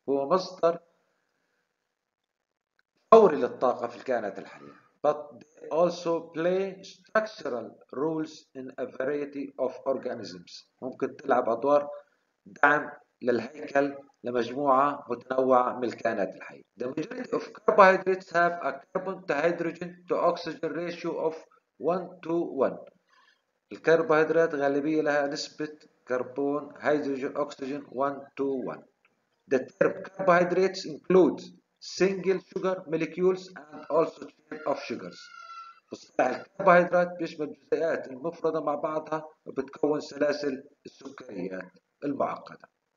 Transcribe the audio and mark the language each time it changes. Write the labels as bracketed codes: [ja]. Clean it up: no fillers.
[ar] هو مصدر فوري للطاقة في الكائنات الحية. [en] But they also play structural roles in a variety of organisms. [ar] ممكن تلعب أدوار دعم للهيكل لمجموعة متنوعة من الكائنات الحية. [en] The majority of carbohydrates have a carbon to hydrogen to oxygen ratio of 1:1. [ar] الكربوهيدرات غالبية لها نسبة كربون هيدروجين اكسجين 1:1. [en] The term carbohydrates includes single sugar molecules and also chain of sugars. [ar] مصطلح الكربوهيدرات بيشمل جزيئات المفردة مع بعضها وبتكون سلاسل السكريات المعقدة.